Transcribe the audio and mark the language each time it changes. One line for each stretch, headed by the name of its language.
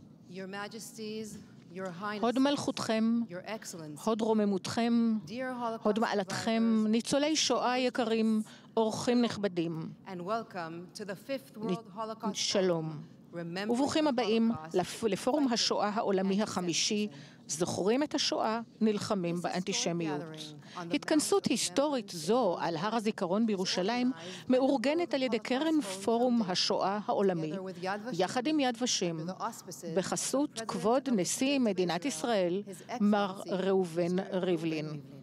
English: Your Majesties, Your Highnesses,
Hebrew: הוד מלכותכם,
English: Your Excellencies,
Hebrew: הוד רוממותכם,
English: Dear Holocaust,
Hebrew: הוד מעלתכם, ניצולי שואה יקרים, אורחים נכבדים,
English: and welcome to the 5th World Holocaust.
Hebrew: שלום. וברוכים הבאים לפורום השואה העולמי החמישי, זוכרים את השואה, נלחמים באנטישמיות. התכנסות היסטורית זו על הר הזיכרון בירושלים מאורגנת על ידי קרן פורום השואה העולמי, יחד עם יד ושם, בחסות כבוד נשיא מדינת ישראל, מר ראובן ריבלין.